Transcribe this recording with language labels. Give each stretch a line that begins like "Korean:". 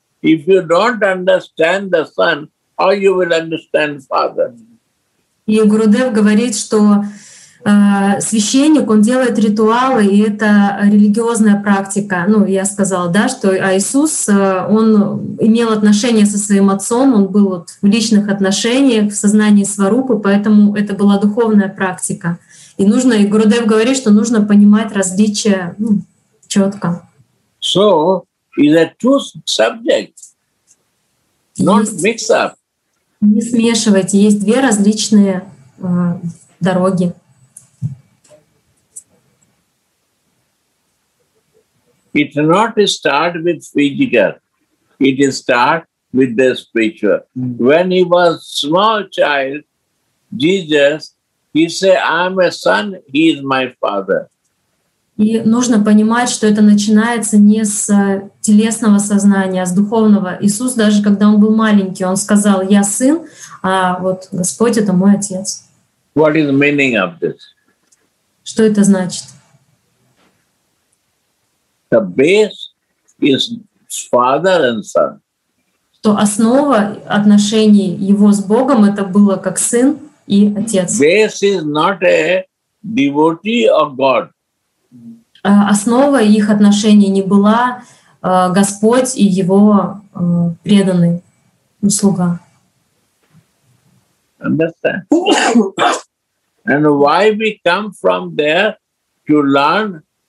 English: If you don't understand the Son, how you will understand Father?
Russian: И Гурудев говорит, что священник, он делает ритуалы, и это религиозная практика. Ну, я сказала, да, что Иисус, он имел отношения со своим отцом, он был вот в личных отношениях, в сознании сварупы, поэтому это была духовная практика. И нужно, и Гурудев говорит, что нужно понимать различия, ну, четко.
English: So, is it two subjects? Not mix up.
Russian: Не смешивайте, есть две различные дороги.
English: It not start with physical. It start with the spiritual. When he was small child, Jesus, he said, "I'm a son. He is my father."
Russian: И нужно понимать, что это начинается не с телесного сознания, а с духовного. Иисус даже, когда он был маленький, он сказал: "Я сын, а вот Господь это мой отец."
English: What is the meaning of this?
Russian: Что это значит?
English: The base is father and son.
Russian: То основа отношений его с Богом это было как сын и отец.
English: Base is not a devotee or God.
Russian: Основа их отношений не была Господь и его преданный слуга.
English: Understand? And why we come from there to learn?